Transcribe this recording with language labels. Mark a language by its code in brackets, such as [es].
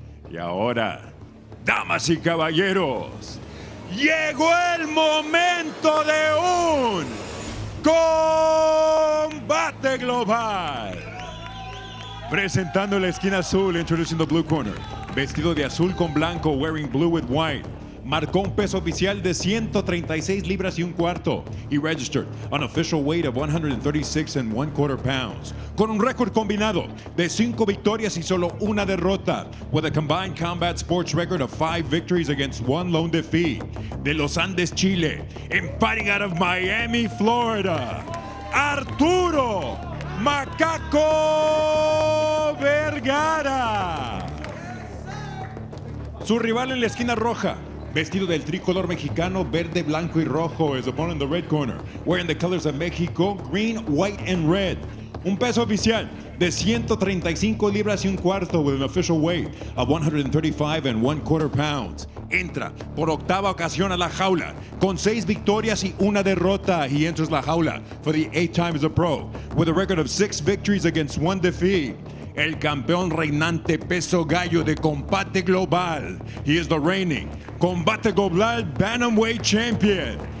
[es] Y ahora, damas y caballeros, llegó el momento de un combate global. Presentando la esquina azul, [en] introducing the blue corner. [es] Vestido de azul con blanco, [en] wearing blue with white. [es] marcó un peso oficial de 136 libras y un cuarto. [en] He registered an official weight of 136 and one quarter pounds. [es] Con un récord combinado de 5 victorias y solo una derrota. [en] With a combined combat sports record of 5 victories against 1 lone defeat. De Los Andes, Chile, and fighting out of Miami, Florida, Arturo Macaco Vergara. [es] Su rival en la esquina roja, vestido del tricolor mexicano, verde, blanco y rojo, [en] is the one in the red corner, wearing the colors of Mexico, green, white, and red. [es] Un peso oficial de 135 libras y un cuarto, [en] with an official weight of 135 and one quarter pounds. [es] Entra por octava ocasión a la jaula con 6 victorias y una derrota. [en] He enters [es] la jaula [en] for the 8th time as a pro, with a record of 6 victories against 1 defeat. [es] El campeón reinante peso gallo de combate global. [en] He is the reigning combate global bantamweight champion.